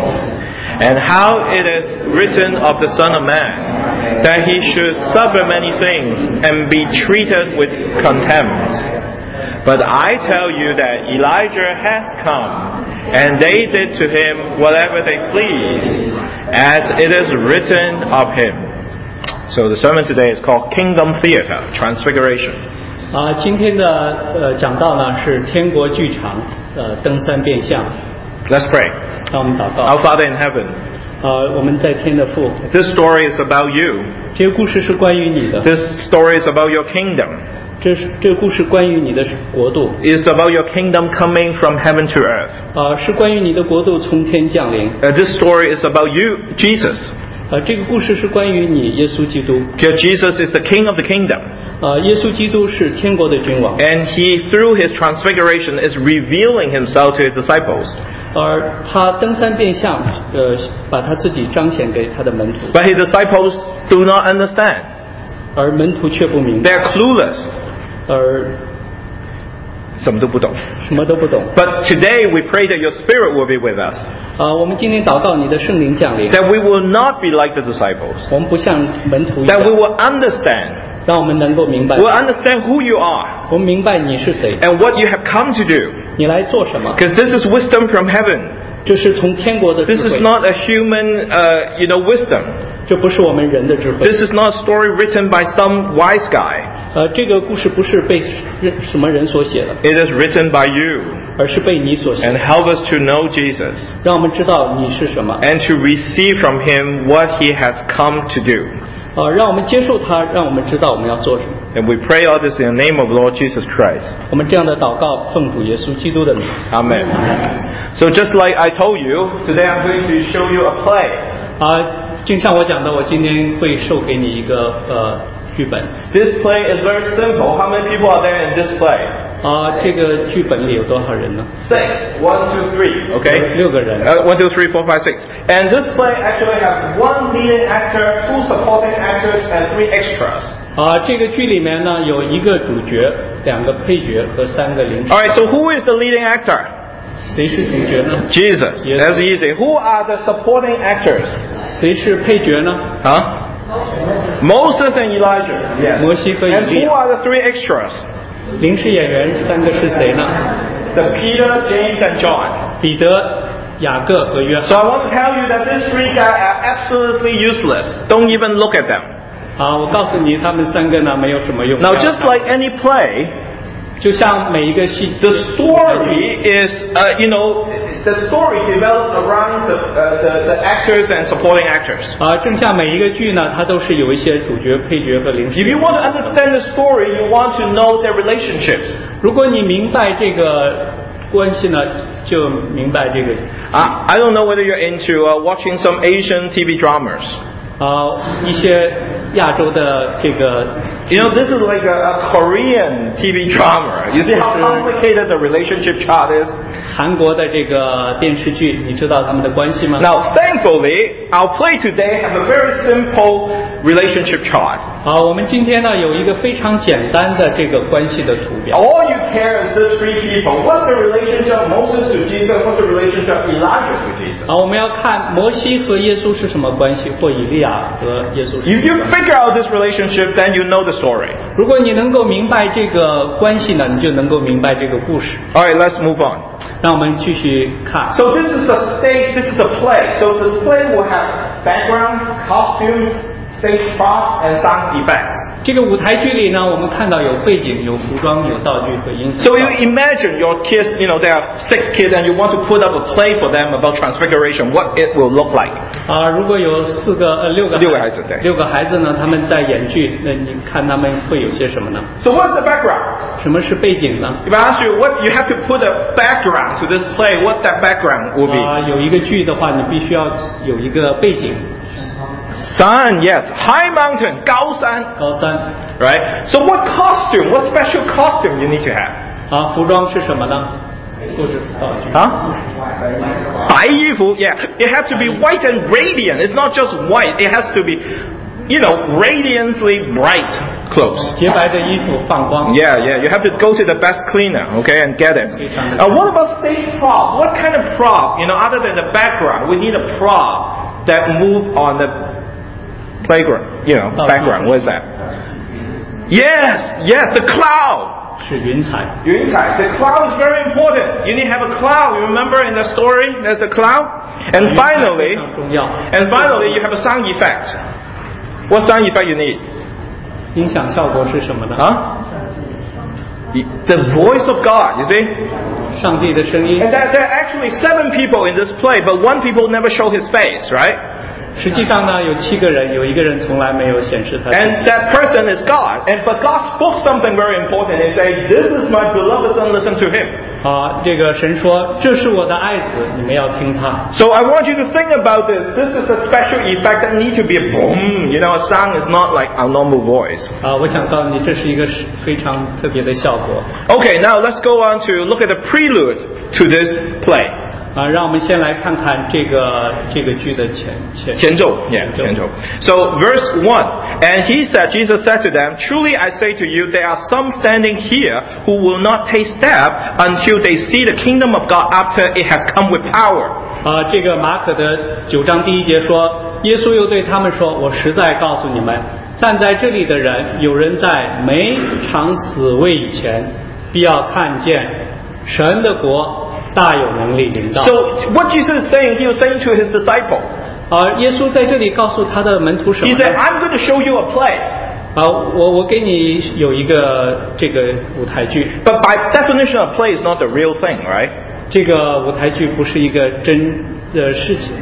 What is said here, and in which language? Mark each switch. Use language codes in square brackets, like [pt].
[en] And how it is written of the Son of Man, that he should suffer many things and be treated with contempt. But I tell you that Elijah has come, and they did to him whatever they pleased, as it is written of him." So the sermon today is called Kingdom Theater, Transfiguration. [zh] 今天的讲道呢是天国剧场，登山变相。 [en] Let's pray. Our Father in heaven, [zh] 我们在天的父, [en] this story is about you. [zh] 这故事是关于你的, [en] this story is about your kingdom. [zh] 这故事关于你的国度, [en] it's about your kingdom coming from heaven to earth. [zh] 是关于你的国度从天降临, [en] this story is about you, Jesus. [zh] 这个故事是关于你, 耶稣基督, [en] Jesus is the King of the kingdom. [zh] 耶稣基督是天国的君王, [en] and he, through his transfiguration, is revealing himself to his disciples. [zh] 而他登山变相, 把他自己彰显给他的门徒, [en] but his disciples do not understand. [zh] 而门徒却不明白, [en] they are clueless. [zh] 什么都不懂, 什么都不懂, [en] but today we pray that your spirit will be with us. [zh] 我们今天祷告你的圣灵降临, [en] that we will not be like the disciples. [zh] 我们不像门徒一样, [en] that we will understand. We'll understand who you are and what you have come to do. Because this is wisdom from heaven. This is not a human wisdom. This is not a story written by some wise guy. It is written by you. And help us to know Jesus. And to receive from him what he has come to do. [zh] 让我们接受他, [en] and we pray all this in the name of Lord Jesus Christ. [zh] 我们这样的祷告, [en] Amen. So just like I told you, today I'm going to show you a play. [zh] 就像我讲的, 我今天会授给你一个, [en] this play is very simple. How many people are there in this play? [zh] 这个剧本里有多少人呢? [en] 6, 1, 2, 3. Okay. [zh] 6个人。 [en] 1, 2, 3, 4, 5, 6. And this play actually has one leading actor, two supporting actors, and three extras. [zh] 这个剧里面呢, 有一个主角, 两个配角和三个临时。 [en] Alright, so who is the leading actor? [zh] 谁是主角呢? [en] Jesus. That's easy. Who are the supporting actors? [zh] 谁是配角呢? [en] Huh? Moses and Elijah. Yes. And who are the three extras? [zh] 临时演员三个是谁呢? [en] The Peter, James, and John. [zh] 彼得, [en] so I want to tell you that these three guys are absolutely useless. Don't even look at them. [zh] 我告诉你他们三个呢, [en] now just like any play, [zh] 就像每一个戏, [en] the story is the story develops around the actors and supporting actors. [zh] 正像每一个剧呢, 它都是有一些主角, 配角和临时, [en] if you want to understand the story, you want to know their relationships. [zh] 如果你明白这个关系呢, 就明白这个, [en] I don't know whether you're into watching some Asian TV dramas. [zh] 一些亚洲的这个, [en] you know, this is like a Korean TV drama. You see how complicated the relationship chart is? [zh] 韩国的这个电视剧, 你知道他们的关系吗? [en] Now, thankfully, our play today has a very simple relationship chart. [zh] 我们今天呢, 有一个非常简单的这个关系的图表。 [en] All you care is these three people. What's the relationship of Moses to Jesus? What's the relationship of Elijah to Jesus? [zh] 我们要看摩西和耶稣是什么关系, 或以利亚和耶稣是什么关系。 [en] If you figure out this relationship, then you know the story. [zh] 如果你能够明白这个关系呢, 你就能够明白这个故事。 [en] Alright, let's move on. [zh] 让我们继续看。 [en] So this is a stage, this is a play. So the play will have background, costumes, stage props, and sound effects. [zh] 这个舞台剧里呢，我们看到有背景、有服装、有道具和音响。 [en] So you imagine your kids, you know, there are six kids, and you want to put up a play for them about transfiguration, what it will look like? [zh] 啊，如果有四个六个孩子对，六个孩子呢，他们在演剧，那你看他们会有些什么呢 [en] ？So what's the background? [zh] 什么是背景呢 [en] ？If I ask you, what you have to put a background to this play, what that background will be? [zh] 啊，有一个剧的话，你必须要有一个背景。 [en] Sun, yes. High mountain, [zh] 高山高山 [en] Right? So what costume, what special costume you need to have? [zh] 啊，服装是什么呢？白衣服 [en] yeah. It has to be white and radiant. It's not just white. It has to be, you know, radiantly bright clothes. [zh] 洁白的衣服放光 [en] Yeah, yeah. You have to go to the best cleaner, okay, and get it. What about stage prop? What kind of prop, you know, other than the background, we need a prop. That move on the playground, you know, background. What is that? Yes, yes, the cloud. [zh] 是云彩云彩 [en] The cloud is very important. You need to have a cloud. You remember in the story, there's a cloud. And finally, you have a sound effect. What sound effect you need? [zh] 音响效果是什么呢？ [en] The voice of God, you see? [zh] 上帝的声音 [en] And that there are actually seven people in this play, but one people never show his face, right? [zh] 实际上呢，有七个人，有一个人从来没有显示他。 [en] And that person is God. And but God spoke something very important. He said, "This is my beloved son. Listen to him." [zh] 啊，这个神说，这是我的爱子，你们要听他。 [en] So I want you to think about this. This is a special effect that need to be a boom. You know, a sound is not like our normal voice. [zh] 啊，我想告诉你，这是一个非常特别的效果。 [en] Okay, now let's go on to look at the prelude to this play. [zh] 让我们先来看看这个剧的前奏 [en] yeah, [zh] 前奏 [en] So verse 1 And he said, Jesus said to them Truly I say to you, there are some standing here Who will not taste death Until they see the kingdom of God After it has come with power [zh] 这个马可的九章第一节说耶稣又对他们说我实在告诉你们站在这里的人有人在没尝死味以前必要看见神的国大有能力临到 [en] So what Jesus is saying He was saying to his disciple [zh] 耶稣在这里告诉他的门徒什么 [en] He said I'm going to show you a play [zh] 我给你有一个这个舞台剧 [en] But by definition a play is not the real thing right [zh] 这个舞台剧不是一个真的事情